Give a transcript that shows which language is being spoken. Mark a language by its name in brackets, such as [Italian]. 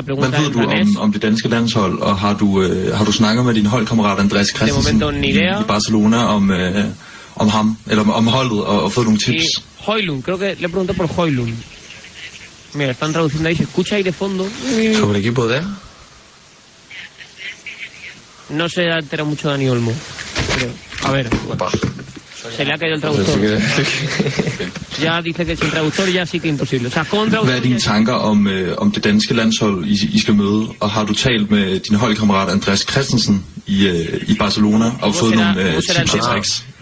[Danish] ved du om det danske landshold, og har du snakket med din holdkammerat Andreas Christensen i Barcelona om ham, eller om holdet, og fået nogle tips? [Spanish] Højlund, creo que le pregunté por Højlund. Mira, están traduciendo ahí, se escucha ahí de fondo. ¿Sobre el equipo de? No se ha enterado mucho Dani Olmo. A ver. Opa. Se le ha caído el traductor. Sí que... ya dice que sin traductor ya sí que imposible. O sea, con traductor. [Danish] Hvad er dine tanker om det danske landshold I skal møde, og har du talt med din holdkammerat Andreas Christensen i Barcelona og fået nogle tips og tricks?